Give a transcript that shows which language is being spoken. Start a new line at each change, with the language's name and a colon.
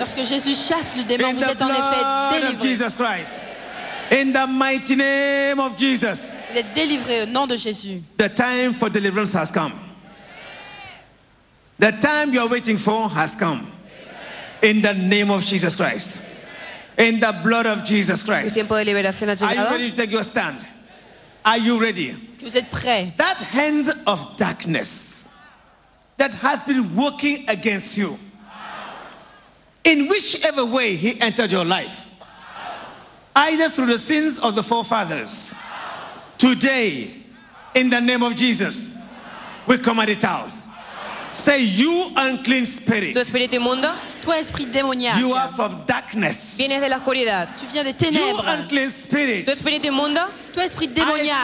French: Lorsque Jésus chasse le démon,
English: in
French: vous êtes en effet délivré.
English: Of Jesus Christ. In the mighty name of Jesus.
French: Vous êtes délivré au nom de Jésus.
English: The time for deliverance has come. The time you are waiting for has come. In the name of Jesus Christ. In the blood of Jesus Christ.
Spanish: Tiempo de liberación ha llegado.
English: Are you ready to take your stand? Are you ready?
French: Que vous êtes prêt?
English: That hand of darkness that has been working against you, in whichever way he entered your life, either through the sins of the forefathers, today, in the name of Jesus, we command it out. Say, you unclean spirit.
French: Tu esprit du monde, toi esprit démoniaque.
English: You are from darkness.
Spanish: Vienes de la oscuridad.
French: Tu viens des ténèbres.
English: You unclean spirit.
French: Tu esprit du monde, toi esprit démoniaque.